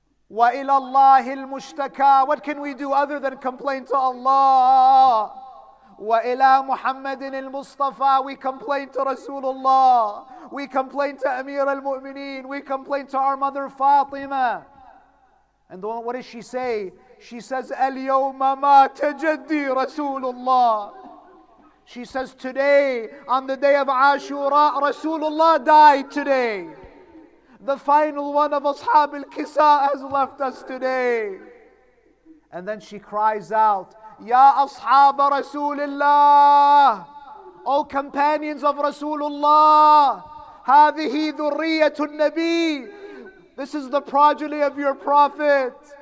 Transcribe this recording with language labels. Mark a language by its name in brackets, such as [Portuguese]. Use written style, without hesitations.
[Arabic] وإلى الله المشتكى. [English] What can we do other than complain to Allah? [Arabic] وإلى محمد المصطفى. [English] We complain to رسول الله. We complain to أمير المؤمنين. We complain to our mother Fatima. And what does she say? She says, [Arabic] اليوم ما تجدي رسول الله. [English] She says, today, on the day of Ashura, Rasulullah died today. The final one of Ashab al-Kisa has left us today. And then she cries out, Ya Ashab Rasulullah, O companions of Rasulullah, [Arabic] هذه ذرية النبي, [English] this is the progeny of your Prophet.